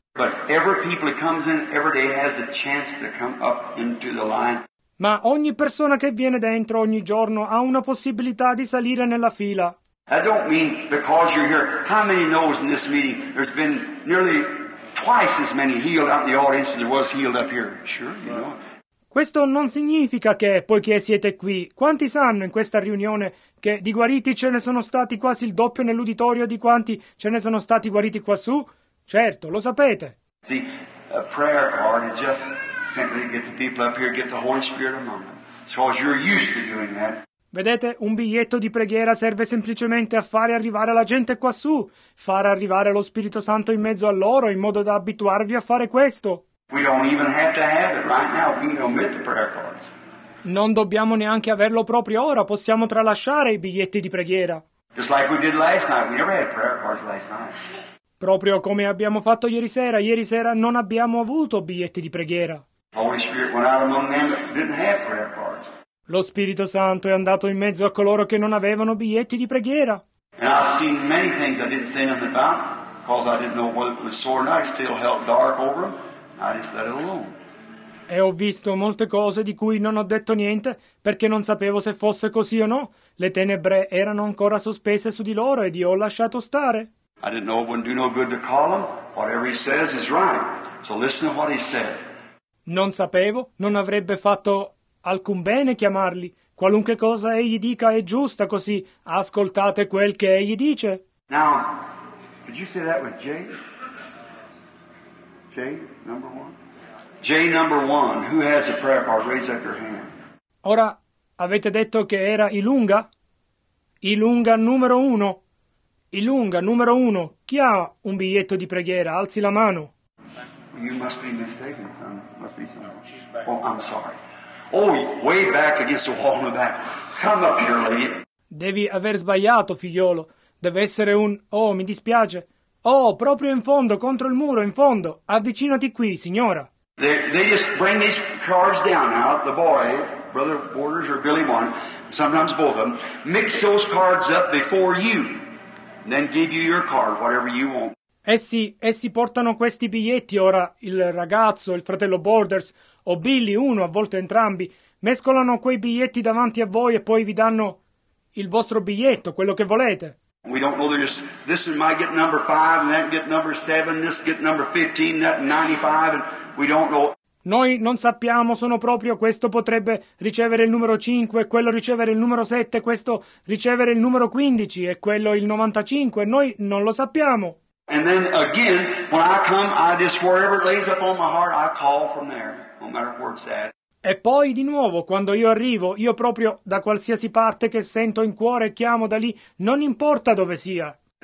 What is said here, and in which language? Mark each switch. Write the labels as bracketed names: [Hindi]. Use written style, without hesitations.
[English] But every people that comes in every day has a chance to come up into the line. [Italian] Ma ogni persona che viene dentro ogni giorno ha una possibilità di salire nella fila. [English] I don't mean because you're here. How many knows in this meeting there's been nearly twice as many healed out in the audience as there was healed up here? Sure, you know. [Italian] Questo non significa che, poiché siete qui, quanti sanno in questa riunione che di guariti ce ne sono stati quasi il doppio nell'uditorio di quanti ce ne sono stati guariti quassù? Certo, lo sapete. [English] See, a prayer card is just simply to get the people up here, get the Holy Spirit among them. So as you're used to doing that. [Italian] Vedete, un biglietto di preghiera serve semplicemente a fare arrivare la gente quassù, far arrivare lo Spirito Santo in mezzo a loro, in modo da abituarvi a fare questo. [English] We don't even have to have it right now. We can omit the prayer cards. [Italian] Non dobbiamo neanche averlo proprio ora. Possiamo tralasciare i biglietti di preghiera. [English] Just like we did last night. We never had prayer cards last night. [Italian] Proprio come abbiamo fatto ieri sera. Ieri sera non abbiamo avuto biglietti di preghiera. [English] Holy Spirit went out among them that didn't have prayer cards. [Italian] Lo Spirito Santo è andato in mezzo a coloro che non avevano biglietti di preghiera. [English] And I've seen many things I didn't say nothing about because I didn't know whether it was sore or not. I still held dark over them. I just let it alone. [Italian] E ho visto molte cose di cui non ho detto niente perché non sapevo se fosse così o no. Le tenebre erano ancora sospese su di loro ed io ho lasciato stare. [English] I didn't know it wouldn't do no good to call him. Whatever he says is right. So listen to what he said. [Italian] Non sapevo, non avrebbe fatto alcun bene chiamarli. Qualunque cosa egli dica è giusta, così ascoltate quel che egli dice. [English] Now, did you say that with J? J number one? J number one. Who has a prayer card? Raise up your hand. [Italian] Ora, avete detto che era Ilunga? Ilunga numero uno. Ilunga, numero uno, chi ha un biglietto di preghiera? Alzi la mano. [English] You must be mistaken, son. Must be son. Oh, I'm sorry. Oh, way back against the wall in the back. Come up here, lady. [Italian] Devi aver sbagliato, figliolo. Deve essere un... Oh, mi dispiace. Oh, proprio in fondo, contro il muro, in fondo. Avvicinati qui, signora. [English] They just bring these cards down out, the boy... Brother Borders or Billy One, sometimes both of them, mix those cards up before you. Then give you your card, whatever you want. [Italian] Essi portano questi biglietti ora, il ragazzo, il fratello Borders, o Billy, uno, a volte entrambi, mescolano quei biglietti davanti a voi e poi vi danno il vostro biglietto, quello che volete. [English] We don't know, they're just, this might get number 5, and that get number 7, this get number 15, that 95, and we don't know. [Italian] Noi non sappiamo, sono proprio questo potrebbe ricevere il numero 5, quello ricevere il numero 7, questo ricevere il numero 15 e quello il 95. Noi non lo sappiamo. [English] And then again, when I come, I just wherever it lays up on my heart, I call from there, no matter where it's at. [Italian] E poi di nuovo, quando io arrivo, io proprio da qualsiasi parte che sento in cuore, chiamo da lì, non importa dove sia.